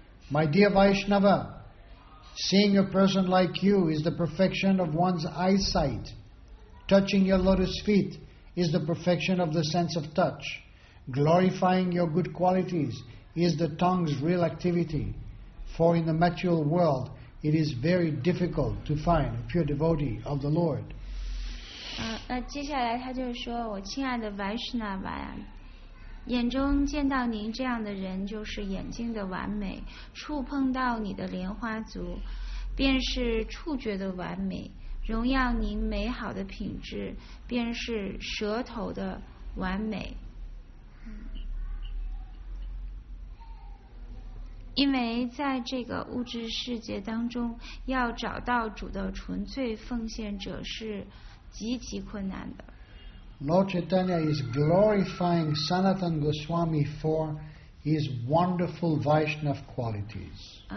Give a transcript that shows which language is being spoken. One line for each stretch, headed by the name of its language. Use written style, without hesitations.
English: My dear Vaishnava, seeing a person like you is the perfection of one's eyesight. Touching your lotus feet is the perfection of the sense of touch. Glorifying your good qualities is the tongue's real activity. For in the material world, it is very difficult to find a pure devotee of the Lord.
Chinese: 那接下来他就说，我亲爱的 Vaishnava 呀，眼中见到您这样的人就是眼睛的完美，触碰到你的莲花足，便是触觉的完美，荣耀您美好的品质，便是舌头的完美。因为在这个物质世界当中，要找到主的纯粹奉献者是极其困难的。
English: Lord Chaitanya is glorifying Sanatana Goswami for his wonderful Vaishnav qualities.